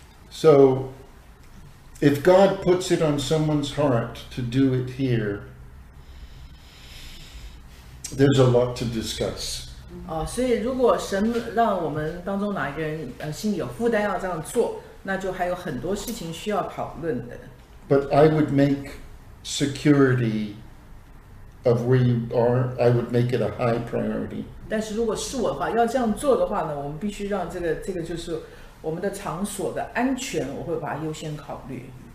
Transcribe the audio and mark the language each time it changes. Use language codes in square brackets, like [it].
[en] So, if God puts it on someone's heart to do it here, there's a lot to discuss. [zh] 哦，所以如果神让我们当中哪一个人心里有负担要这样做，那就还有很多事情需要讨论的。 [en] But I would make security of where you are, I would make it a high priority. [zh] 但是如果是我的话，要这样做的话呢，我们必须让这个就是我们的场所的安全，我会把它优先考虑。